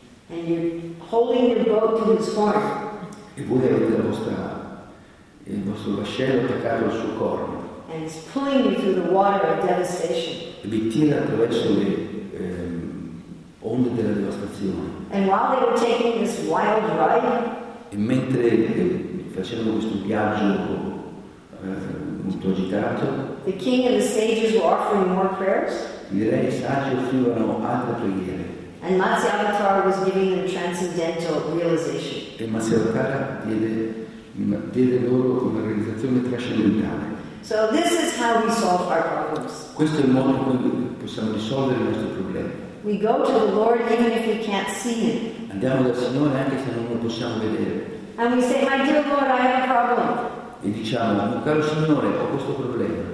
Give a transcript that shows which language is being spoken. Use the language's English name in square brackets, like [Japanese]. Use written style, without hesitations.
[English] And you're holding your boat to his horn. [Italian] E voi avete il vostro vascello attaccato al suo corno. [English] And it's pulling you through the water of devastation. [Italian] E vi tira attraverso le onde della devastazione. [English] And while they were taking this wild ride. [Italian] E mentre facevano questo viaggio molto agitato. [English] The king and the sages were offering more prayers. [Italian] I re e i saggi offrivano altre preghiere. [English] And Matsya Avatar was giving them transcendental realization. [Italian] E Matsya Avatar diede loro una realizzazione trascendentale. [English] So this is how we solve our problems. [Italian] Questo è il modo in cui possiamo risolvere i nostri problemi. [English] We go to the Lord even if we can't see Him. [Italian] Andiamo dal Signore anche se non lo possiamo vedere. [English] And we say, my dear Lord, I have a problem. [Italian] E diciamo, mio caro Signore, ho questo problema.